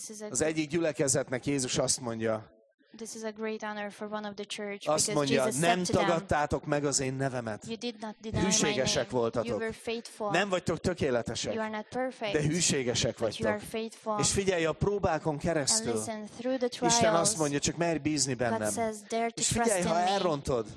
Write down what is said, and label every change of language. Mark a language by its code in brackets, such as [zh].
[hu] Az egyik gyülekezetnek Jézus azt mondja, [en] this is a great honor for one of the church, [hu] azt mondja, [en] Jesus [hu] nem tagadtátok meg az én nevemet. Hűségesek voltatok. Nem vagytok tökéletesek, [en] you are not perfect, [hu] de hűségesek vagytok. [en] You are faithful. [hu] És figyelj a próbákon keresztül. [en] And listen, through the trials, [hu] Isten azt mondja, csak merj bízni bennem. [en] God says, dare to trust [hu] és figyelj, ha elrontod,